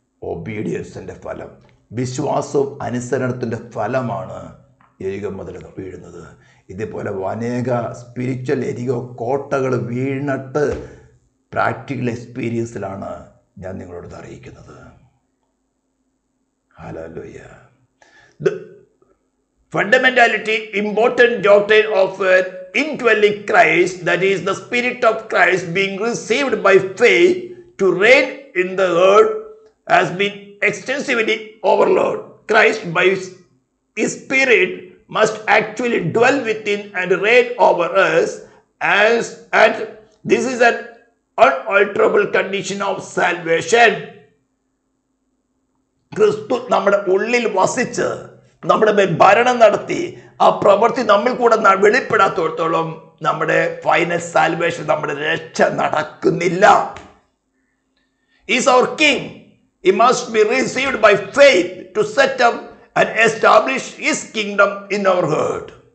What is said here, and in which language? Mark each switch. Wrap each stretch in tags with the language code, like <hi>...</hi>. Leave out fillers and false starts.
<ml>ഒബീഡിയൻസിൻ്റെ ഫലം, വിശ്വാസവും അനുസരണത്തിൻ്റെ ഫലമാണ് എരിഹോ മതിൽ വീഴുന്നത്. ഇതേപോലെ അനേക സ്പിരിച്വൽ എരിഹോ കോട്ടകൾ വീണിട്ട് പ്രാക്ടിക്കൽ എക്സ്പീരിയൻസിലാണ് ഞാൻ നിങ്ങളോട് അറിയിക്കുന്നത്. Hallelujah.</ml> <en>Fundamentality, important doctrine of indwelling Christ, that is the spirit of Christ being received by faith to reign in the earth, has been extensively overlooked. Christ by his spirit must actually dwell within and reign over us, and this is an unalterable condition of salvation.</en> <ml>Christu nammude ullil vasichu നമ്മുടെ മേൽ ഭരണം നടത്തി ആ പ്രവൃത്തി നമ്മൾ കൂടെ വെളിപ്പെടാത്തോളം നമ്മുടെ final salvation, നമ്മുടെ രക്ഷ നടക്കുന്നില്ല.</ml> <en>Is our king. He must be received by faith to set up and establish his kingdom in our heart.</en>